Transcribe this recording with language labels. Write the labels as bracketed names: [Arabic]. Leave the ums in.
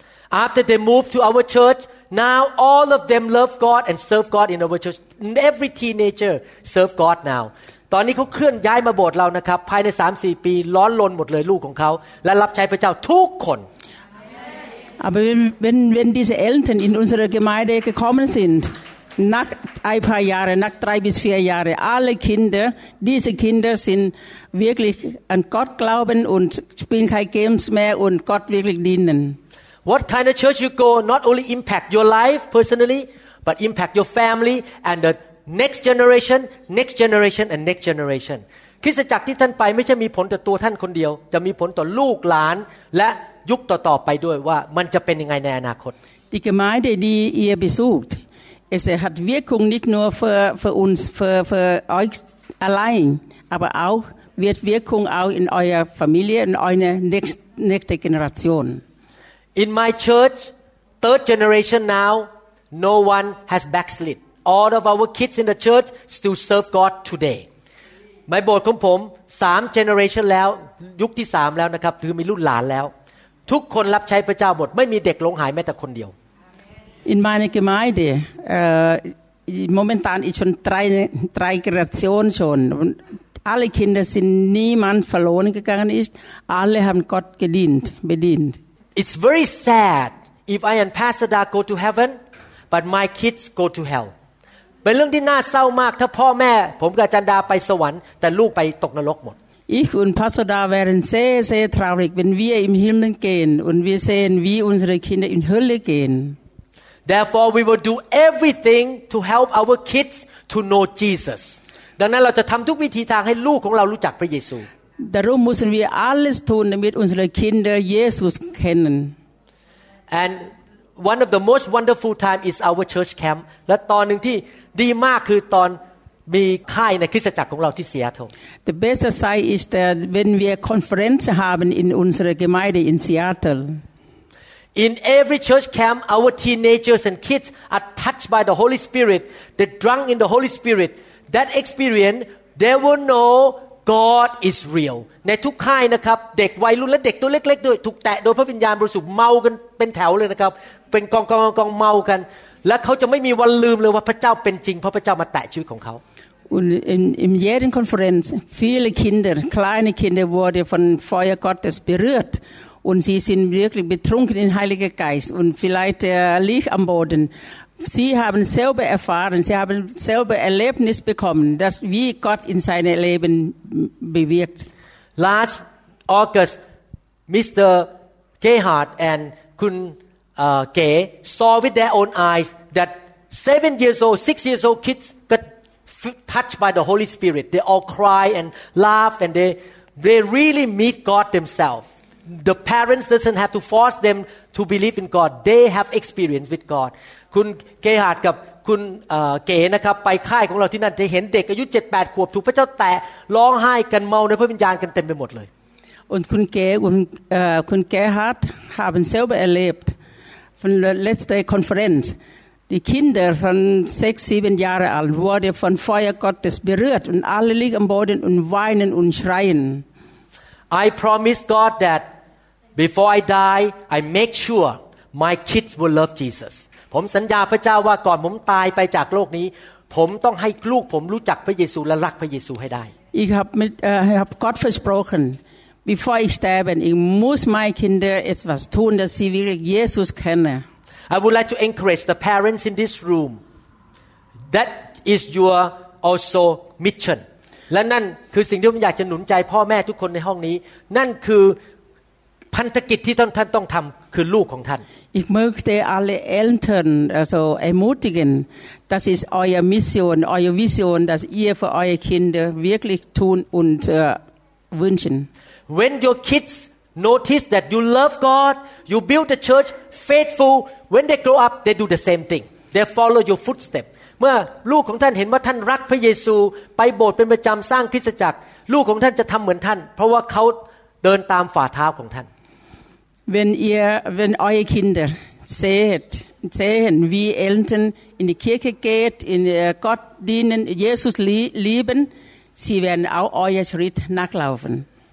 [English] After they moved to our church, now all of them love God and serve God in our church. Every teenager serve God now. [Thai] ตอนนี้เขาเคลื่อนย้ายมาโบสถ์เรานะครับภายใน3-4ปีล้อนลนหมดเลยลูกของเขาและรับใช้พระเจ้าทุกคน [German] Aber wenn, wenn, wenn diese Eltern in unsere Gemeinde gekommen sind, nach ein paar Jahren, nach drei bis vier Jahren, alle Kinder, diese Kinder sind wirklich an Gott glauben und spielen keine Games mehr und Gott wirklich dienen. [English] What kind of church you go not only impact your life personally, but impact your family and the next generation, next generation and next generation. [Thai] คริสตจักรที่ท่านไปไม่ใช่มีผลต่อตัวท่านคนเดียว จะมีผลต่อลูกหลานและยุคต่อๆไปด้วยว่ามันจะเป็นยังไงในอนาคต [German] Die Gemeinde, die ihr besucht, es hat Wirkung nicht nur für, für uns, für, für euch allein, aber auch wird Wirkung auch in eurer Familie, in eurer nächst- nächste Generation. [English] In my church, third generation now, no one has backslid. All of our kids in the church still serve God today. [Thai] ในโบสถ์ของผมสาม generation แล้วยุคที่สามแล้วนะครับคือมีรุ่นหลานแล้ว ทุกคนรับใช้พระเจ้าหมดไม่มีเด็กหลงหายแม้แต่คนเดียว [German] In meiner Gemeinde, äh, momentan ist schon drei, drei Generationen schon. Und alle Kinder sind niemand verloren gegangen ist. Alle haben Gott gedient, bedient. [English] It's very sad if I and Pastor Da go to heaven, but my kids go to hell. [Thai] เป็นเรื่องที่น่าเศร้ามากถ้าพ่อแม่ ผมกับอาจันดาไปสวรรค์แต่ลูกไปตกนรกหมด [German] Ich und Pastor da wären sehr, sehr traurig, wenn wir im Himmel gehen und wir sehen, wie unsere Kinder in Hölle gehen. [English] Therefore we will do everything to help our kids to know Jesus [Thai] ดังนั้นเราจะทำทุกวิธีทางให้ลูกของเรารู้จักพระเยซู [German] Darum müssen wir alles tun, damit unsere Kinder Jesus kennen. [English] and one of the most wonderful time is our church camp [Thai] และตอนหนึ่งที่ดีมากคือตอนมีค่ายในคริสตจักรของเราที่เซียโต [German] Die beste Zeit ist, äh, wenn wir Konferenzen haben in unserer Gemeinde in Seattle. [English] In every church camp, our teenagers and kids are touched by the Holy Spirit. They're drunk in the Holy Spirit. That experience, they will know God is real. [Thai] ในทุกค่ายนะครับ เด็กวัยรุ่นและเด็กตัวเล็ก ๆ ด้วยถูกแตะโดยพระวิญญาณบริสุทธิ์เมากันเป็นแถวเลยนะครับ เป็นกองกองกองกองเมากัน และเขาจะไม่มีวันลืมเลยว่าพระเจ้าเป็นจริงเพราะพระเจ้ามาแตะชีวิตของเขา [German] Und in, in jeder Konferenz, viele Kinder, kleine Kinder wurden von Feuer Gottes berührt. Und sie sind wirklich betrunken in Heiliger Geist und vielleicht äh, liegt am Boden. Sie haben selber erfahren, sie haben selber Erlebnis bekommen, dass wie Gott in seinem Leben mm, bewirkt. [English] Last August, Mr. Gayhart and Kun uh, Gay saw with their own eyes that seven years old, six years old kids got f- touched by the Holy Spirit. They all cry and laugh and they, they really meet God themselves. The parents doesn't have to force them to believe in God. They have experience with God. [Thai] คุณเกหาดกับคุณเอ่อเก๋นะครับไปค่ายของเราที่นั่นจะเห็นเด็กอายุ 7-8 ขวบถูกพระเจ้าแตะร้องไห้กันเมาในพระวิญญาณกันเต็มไปหมดเลย [German] Und Kun Ge und äh, Kun Gerhard haben selber erlebt von der letzten Konferenz. Die Kinder von sechs, sieben Jahre alt wurden von Feuer Gottes berührt und alle liegen am Boden und weinen und schreien. [English] I promise God that before I die, I make sure my kids will love Jesus. [Thai] ผมสัญญาพระเจ้าว่าก่อนผมตายไปจากโลกนี้ ผมต้องให้ลูกผมรู้จักพระเยซูและรักพระเยซูให้ได้ [German] Ich habe äh, hab Gott versprochen, bevor ich sterbe, ich muss meine Kinder etwas tun, dass sie wirklich Jesus kennen. [English] I would like to encourage the parents in this room that is your also mission [Thai] และนั่นคือสิ่งที่ผมอยากจะหนุนใจพ่อแม่ทุกคนในห้องนี้ นั่นคือพันธกิจที่ท่านต้องทำคือลูกของท่าน [German] Ich möchte alle Eltern also ermutigen, das ist eure Mission, eure Vision, dass ihr für eure Kinder wirklich tun und äh, wünschen. [English] When your kids notice that you love God, you build the church faithful, when they grow up, they do the same thing. They follow your footstep. [Thai] เมื่อลูกของท่านเห็นว่าท่านรักพระเยซู ไปโบสถ์เป็นประจำสร้างคริสตจักร ลูกของท่านจะทำเหมือนท่าน เพราะว่าเขาเดินตามฝ่าเท้าของท่าน [German] Wenn ihr, wenn eure Kinder seht, sehen, wie Eltern in die Kirche geht, in äh, Gott dienen, Jesus lie- lieben, sie werden auch euer Schritt nachlaufen.